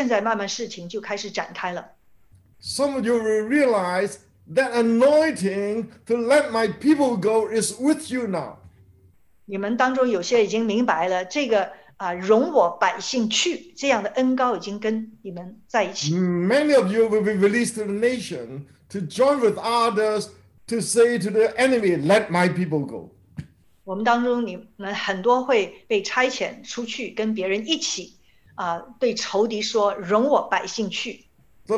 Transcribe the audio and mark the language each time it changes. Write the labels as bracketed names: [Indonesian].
[Chinese] 但是呢，当时呢，我们就顺服这个知识的言语，现在慢慢事情就开始展开了。 [English] Some of you will realize that anointing to let my people go is with you now. [Chinese] 你们当中有些已经明白了这个容我百姓去这样的恩膏已经跟你们在一起。 [English] Many of you will be released to the nation to join with others to say to the enemy, "Let my people go." [Chinese] 我们当中你们很多会被差遣出去跟别人一起，对仇敌说容我百姓去。 [English] The